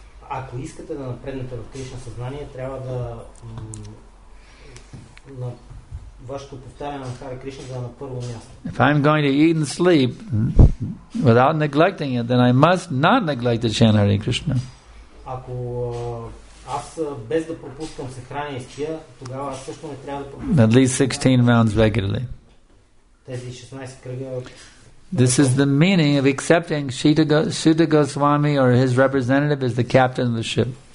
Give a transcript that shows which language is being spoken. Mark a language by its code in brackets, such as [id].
[bg] Ако искате да напреднете в Кришна съзнание, трябва да на вашето повтаряне на Хари Кришна да е на първо място. [en] If I'm going to eat and sleep without neglecting it, then I must not neglect the chant Hare Krishna. [bg] Ако аз без да пропускам се храня и спя, тогава аз също не трябва да пропускам. [en] At least 16 rounds regularly. [bg] Тези 16 кръга. [en] This is the meaning of accepting Śrīla Gosvāmī or his representative as the captain of the ship.